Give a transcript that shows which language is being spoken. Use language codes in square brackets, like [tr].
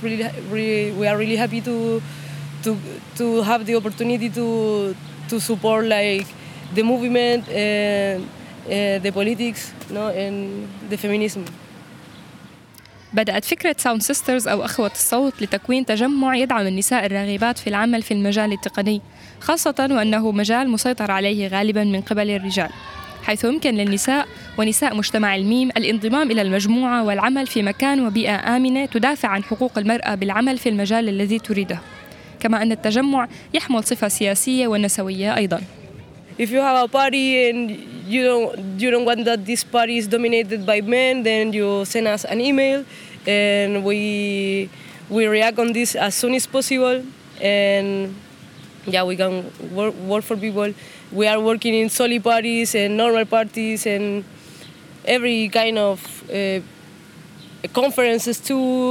[en] We are really happy to have the opportunity to support like the movement and the politics, no, and the feminism. [ar] بدأت فكرة Sound Sisters أو أخوة الصوت لتكوين تجمع يدعم النساء الراغبات في العمل في المجال التقني، خاصة وأنه مجال مسيطر عليه غالبا من قبل الرجال. حيث يمكن للنساء ونساء مجتمع الميم الانضمام إلى المجموعة والعمل في مكان وبيئة آمنة تدافع عن حقوق المرأة بالعمل في المجال الذي تريده. كما أن التجمع يحمل صفة سياسية ونسوية أيضاً. [en] If you have a party and you don't want that this party is dominated by men, then you send us an email and we react on this as soon as possible. And yeah, we can work for people. We are working in solid parties and normal parties and every kind of conferences too.